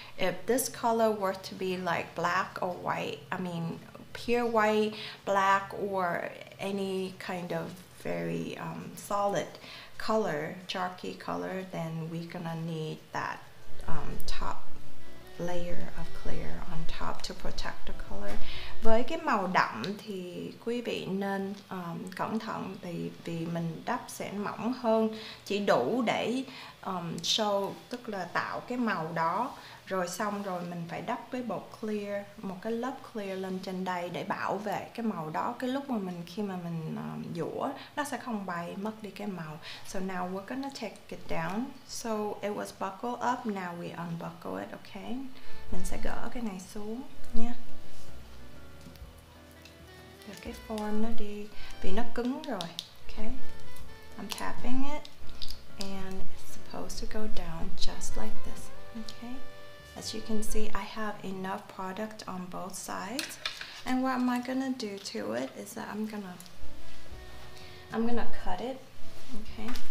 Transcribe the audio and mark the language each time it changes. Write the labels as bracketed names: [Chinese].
[English] If this color were to be like black or white, I mean, pure white, black, or any kind of very solid color, chalky color, then we're gonna need that top layer of clear on top to protect the color. [Vietnamese] Với cái màu đậm thì quý vị nên cẩn thận, thì vì mình đắp sẽ mỏng hơn, chỉ đủ để show, tức là tạo cái màu đó. Rồi xong rồi mình phải đắp với bột clear, một cái lớp clear lên trên đây để bảo vệ cái màu đó. Cái lúc mà mình, khi mà mình dũa, nó sẽ không bay mất đi cái màu. [English] So now we're gonna take it down. So it was buckled up, now we unbuckle it, okay? [Vietnamese] Mình sẽ gỡ cái này xuống nha. Được cái form nó đi, vì nó cứng rồi, okay? [English] I'm tapping it and it's supposed to go down just like this, okay? As you can see, I have enough product on both sides. And what am I gonna do to it is that I'm gonna cut it, okay?